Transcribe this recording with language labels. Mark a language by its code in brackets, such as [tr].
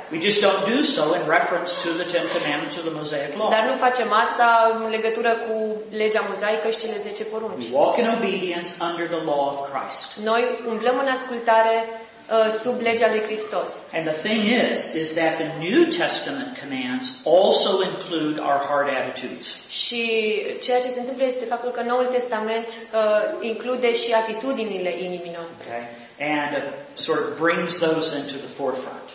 [en] We just don't do so in reference to the Ten Commandments or the Mosaic Law. [ro] Dar nu facem asta în legătură cu legea mozaică și cele 10 porunci. [en] We walk in obedience under the law of Christ. [ro] Noi umblăm în ascultare sub legea lui Hristos. [en] And the thing is that the New Testament commands also include our heart attitudes. [ro] Și ceea ce se întâmplă este faptul că Noul Testament include și atitudinile inimii noastre. [en] Okay. And sort of brings those into the forefront.